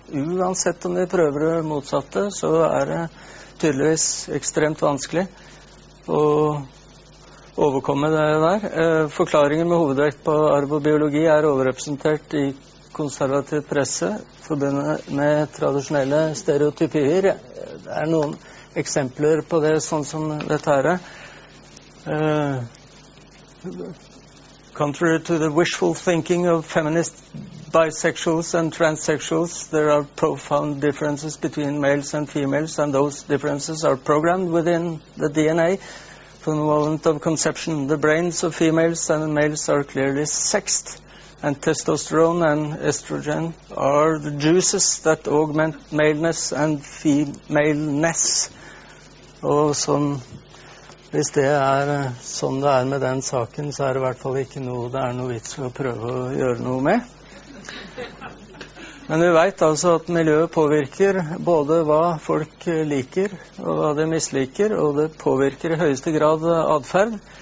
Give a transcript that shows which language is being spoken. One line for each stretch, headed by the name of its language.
Norwegian: Uansett om de prøver det motsatte, så er det tydeligvis ekstremt vanskelig å overkomme det der. Forklaringen med hovedvekt på arv og biologi er overrepresentert i konservativ presse, forbundet med tradisjonelle stereotypier. Det er noen eksempler på det, sånn som dette her.
English: Contrary to the wishful thinking of feminist bisexuals and transsexuals, there are profound differences between males and females, and those differences are programmed within the DNA. From the moment of conception, the brains of females and males are clearly sexed, and testosterone and estrogen are the juices that augment maleness and femaleness.
Norwegian: Og sånn, hvis det er sånn det er med den saken, så er det i hvert fall ikke noe det er noe vits å prøve å gjøre noe med. Men vi vet altså at miljøet påvirker både hva folk liker og hva de misliker, og det påvirker i høyeste grad adferd.